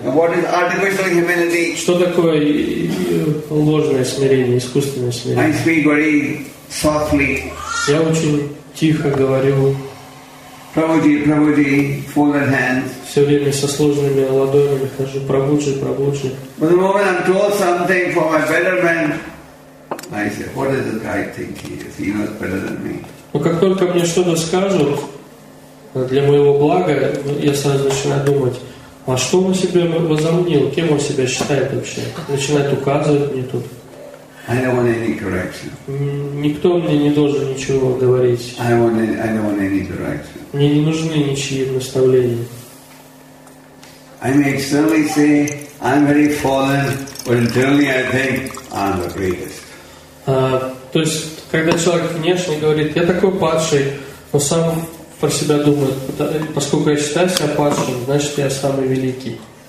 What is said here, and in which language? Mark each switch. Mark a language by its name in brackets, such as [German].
[English] What is artificial humility? [Russian] Что такое ложное смирение, искусственное смирение? [English] I speak very softly. [Russian] Я очень тихо говорю. [English] Прабуджи, folded hands. [Russian] Все время со сложными ладонями хожу. Прабуджи. [English] But the moment I'm told something for my betterment, I say, what does the guy think he is? He knows better than me. [Russian] Но как только мне что-то скажут для моего блага, я сразу начинаю думать, а что он себе возомнил, кем он себя считает вообще? Начинает указывать мне тут. [English] I don't want any correction. [Russian] Никто мне не должен ничего говорить. [English] I don't want any direction. [Russian] Мне не нужны ничьи наставления. [English] I may externally say, I'm very fallen, but internally I think I'm the greatest. [Russian] То есть, когда человек внешне говорит, я такой падший, но сам про себя думают, поскольку я считаю себя падшим, значит, я самый великий.